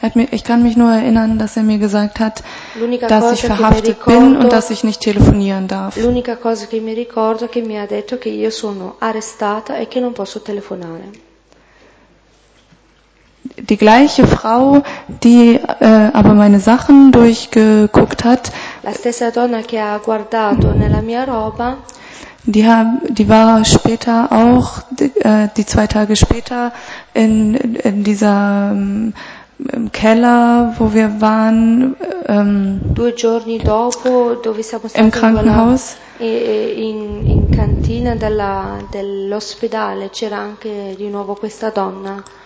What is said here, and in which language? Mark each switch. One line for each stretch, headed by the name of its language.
German: Ich kann mich nur erinnern, dass er mir gesagt hat, dass ich verhaftet bin und dass ich nicht telefonieren darf.
Italian: L'unica cosa che mi ricordo è che mi ha detto che io sono arrestata e che non posso telefonare.
German: Die gleiche Frau, die aber meine Sachen durchgeguckt hat.
Italian: La stessa donna che ha guardato nella mia roba.
German: Die war später auch die zwei Tage später in dieser im Keller, wo wir waren,
Italian: due giorni dopo, dove siamo stati
German: im Krankenhaus,
Italian: in cantina dell'ospedale, c'era anche di nuovo questa donna.